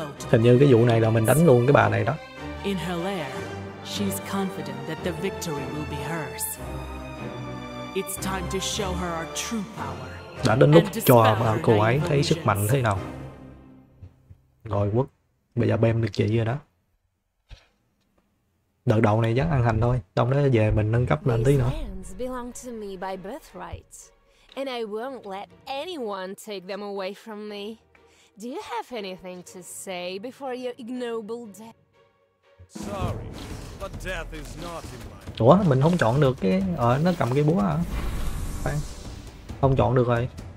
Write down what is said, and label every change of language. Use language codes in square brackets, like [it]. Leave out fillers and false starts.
[vi] Hình như cái vụ này là mình đánh luôn cái bà này đó. [en] In her lair, she's confident that the victory will be hers. It's time to show her our true power. [vi] Đã đến lúc cho cô ấy thấy sức mạnh thế nào. Rồi quất, bây giờ bêm được chị rồi đó. Đợt đầu này chắc ăn hành thôi, xong đó về mình nâng cấp lên tí nữa. [en] These belong to me by birthright, and I won't let anyone take them away from me. Do you have anything to say before your ignoble death? Sorry, but death is not in my... [vi] Ủa, mình không chọn được cái... Ờ, nó cầm cái búa hả? Không chọn được rồi.